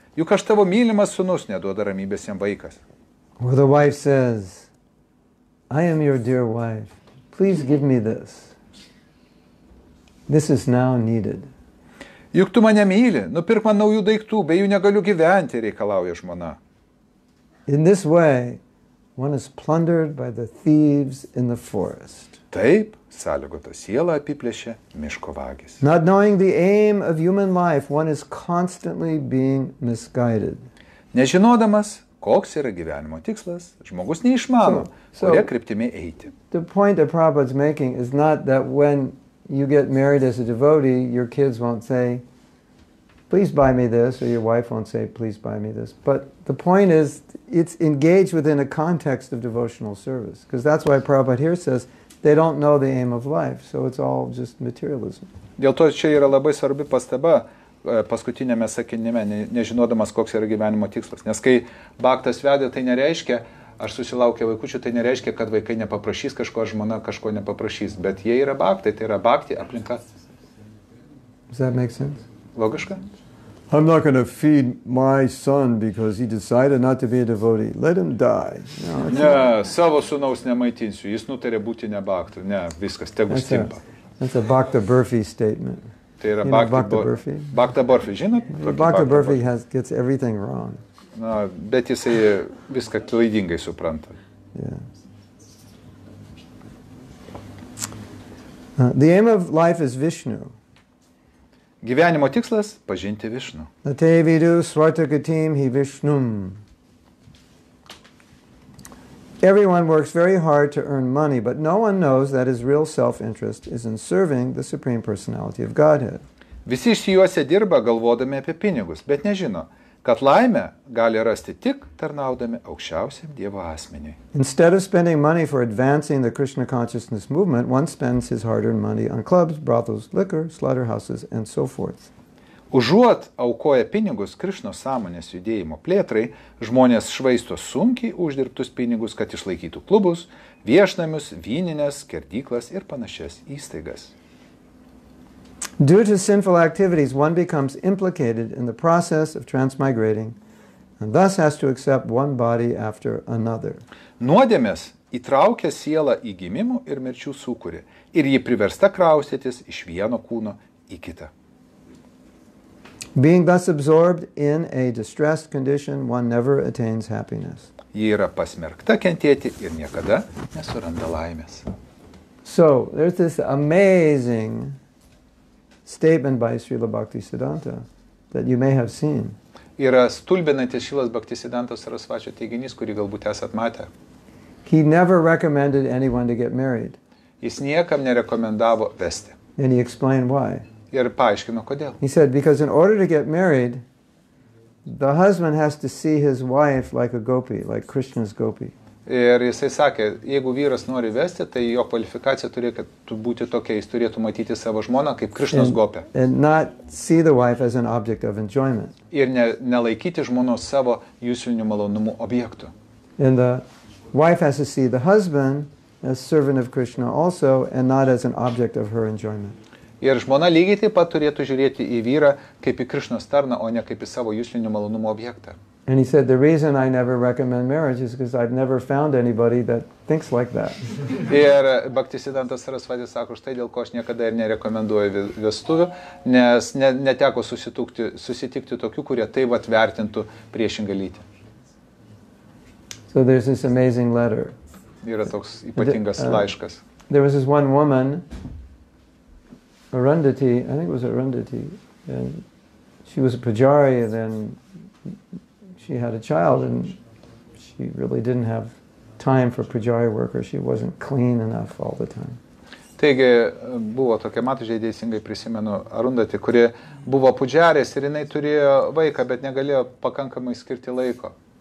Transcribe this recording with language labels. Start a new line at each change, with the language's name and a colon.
Lithuanian: Juk aš tavo mylimas sūnus, neduoda ramybės jam vaikas.
English: Or the wife says, I am your dear wife. Please give me this. This is now needed.
Lithuanian: Juk tu mane myli, nupirk man naujų daiktų, be jų negaliu gyventi, reikalauja žmona.
English: In this way, one is plundered by the thieves in the forest.
Lithuanian: Taip, sąlygota siela apiplėšė miško vagis.
English: Not knowing the aim of human life, one is constantly being misguided.
Lithuanian: Nežinodamas, koks yra gyvenimo tikslas, žmogus neišmano, kuria kryptimi eiti.
English: The point that Prabhupada's making is not that when you get married as a devotee, your kids won't say, please buy me this, or your wife won't say, please buy me this. But the point is, it's engaged within a context of devotional service. Because that's why Prabhupada here says, they don't know the aim of life. So it's all just materialism.
Lithuanian: Dėl to čia yra labai svarbi pastaba paskutinėme sakinime, nežinodamas, koks yra gyvenimo tikslas. Nes kai baktas vedė, tai nereiškia, aš susilaukia vaikučių, tai nereiškia, kad vaikai nepaprašys kažko, žmona kažko nepaprašys. Bet jie yra baktai, tai yra bakti aplinka.
English: Does that make sense?
Lithuanian: Logiška?
English: I'm not going to feed my son because he decided not to be a devotee. Let him die.
Lithuanian: Ne, savo sūnaus nemaitinsiu. Jis nutarė būti ne bhakta. Ne, viskas, tegu stimpa.
English: That's a bhakta burfi statement.
Lithuanian: Tai yra bhakta burfi. Bhakta burfi, žinot?
English: Bhakta burfi gets everything wrong.
Lithuanian: Na, bet jisai viską klaidingai supranta.
English: The aim of life is Vishnu.
Lithuanian: Gyvenimo tikslas – pažinti Vishnu.
Sanskrit: Nate vidu svartakatim hi Vishnum.
English: Everyone works very hard to earn money, but no one knows that his real self-interest is in serving the Supreme Personality of Godhead.
Lithuanian: Visi išsijuose dirba galvodami apie pinigus, bet nežino, kad laimę gali rasti tik tarnaudami aukščiausiam Dievo asmeniui.
English: Instead of spending money for advancing the Krishna consciousness movement, one spends his hard-earned money on clubs, brothels, liquor, slaughterhouses, and so forth.
Lithuanian: Užuot aukoja pinigus Krishna sąmonės judėjimo plėtrai, žmonės švaisto sunkiai uždirbtus pinigus, kad išlaikytų klubus, viešnamius, vynines, skerdyklas ir panašias įstaigas.
English: Due to sinful activities, one becomes implicated in the process of transmigrating and thus has to accept one body after another.
Lithuanian: Nuodėmės įtraukia sielą į gimimų ir mirčių sūkurį ir ji priversta kraustytis iš vieno kūno į kitą.
English: Being thus absorbed in a distressed condition, one never attains happiness.
Lithuanian: Ji yra pasmerkta kentėti ir niekada nesuranda laimės.
English: So, there's this amazing statement by Srila Bhaktisiddhanta that you may have seen.
Lithuanian: Yra stulbinantis Srilas Bhaktisiddhantos Sarasvačio teiginys, kurį galbūt esat matę.
English: He never recommended anyone to get married.
Lithuanian: Jis niekam nerekomendavo vesti.
English: And he explained why.
Lithuanian: Ir paaiškino kodėl.
English: He said, because in order to get married, the husband has to see his wife like a gopi, like Krishna's gopi.
Lithuanian: Ir jisai sakė, jeigu vyras nori vesti, tai jo kvalifikacija turi, kad būti tokia, jis turėtų matyti savo žmoną kaip Krishnas gopė.
English: And not see the wife as an object of enjoyment.
Lithuanian: Ir nelaikyti žmono savo jūsinių malonumų objektų.
English: And the wife has to see the husband as servant of Krishna also and not as an object of her enjoyment.
Lithuanian: Ir žmona lygiai taip pat turėtų žiūrėti į vyrą kaip į Krishnas tarną, o ne kaip į savo jūsinių malonumų objektą.
English: And he said, the reason I never recommend marriage is because I've never found anybody that thinks like that.
Lithuanian: Ir Bhaktisiddhantas Sarasvati sako, štai dėl ko aš niekada ir nerekomenduoju vestuvių, nes neteko susitikti tokių, kurie taip vat vertintų priešingą lytį.
English: So there's this amazing letter.
Lithuanian: Yra toks ypatingas laiškas.
English: There was this one woman, Arundhati, and she was a pujari, and then she had a child and she really didn't have time for pujari work or she wasn't clean enough all the time.
Lithuanian: Taigi buvo tokia matužiai teisingai prisimenu Arundhati, kuri buvo pujaris ir jinai turėjo vaiką, bet negalėjo pakankamai skirti laiko.